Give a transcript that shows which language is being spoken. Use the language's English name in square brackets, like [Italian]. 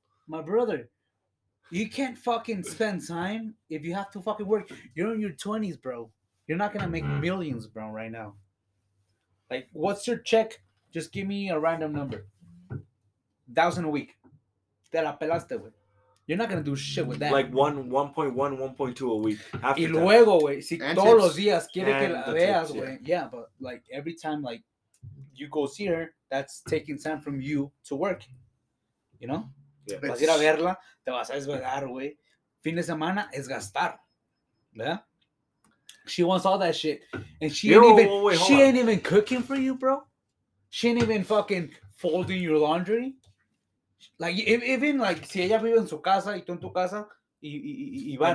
[English] my brother, you can't fucking spend time if you have to fucking work. You're in your 20s, bro. You're not gonna make millions, bro, right now. Like, what's your check? Just give me a random number. 1,000 a week. [Spanish] Te la pelaste, güey. [English] You're not going to do shit with that. Like 1.1, 1.2 a week. [Spanish] Y luego, güey. Si todos los días quiere que la veas, güey. [English] Yeah, but like every time like you go see her, that's taking time from you to work. you know? Yeah. [Spanish] Vas a ir a verla, te vas a desvelar, güey. Fin de semana es gastar. ¿Verdad? [English] She wants all that shit. And she ain't even cooking for you, bro. She ain't even fucking folding your laundry. [Spanish] Like, even, like, si ella vive en su casa y tú en tu casa, y va,